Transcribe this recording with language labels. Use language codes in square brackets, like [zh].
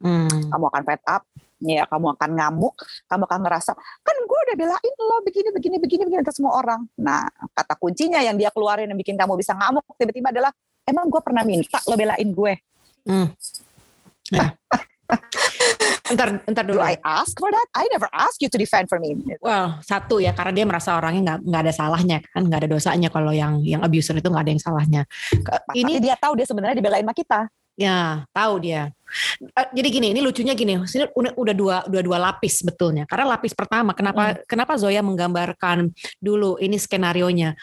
[id] Kamu akan [en] fed up, [id] ya, kamu akan ngamuk, kamu akan ngerasa, kan gue udah belain lo begini, begini, begini, begini ke semua orang. Nah, kata kuncinya yang dia keluarin yang bikin kamu bisa ngamuk tiba-tiba adalah, emang gue pernah minta lo belain gue? Ntar dulu. [en] Do I ask for that? I never ask you to defend for me. [id] Well, satu ya, karena dia merasa orangnya nggak ada salahnya kan, nggak ada dosanya kalau yang abuser itu nggak ada yang salahnya. Ini tapi dia tahu dia sebenarnya dibelain sama kita. Ya, tahu dia. Jadi gini, ini lucunya gini, sini udah dua lapis betulnya. Karena lapis pertama, kenapa Zoya menggambarkan dulu ini skenarionya.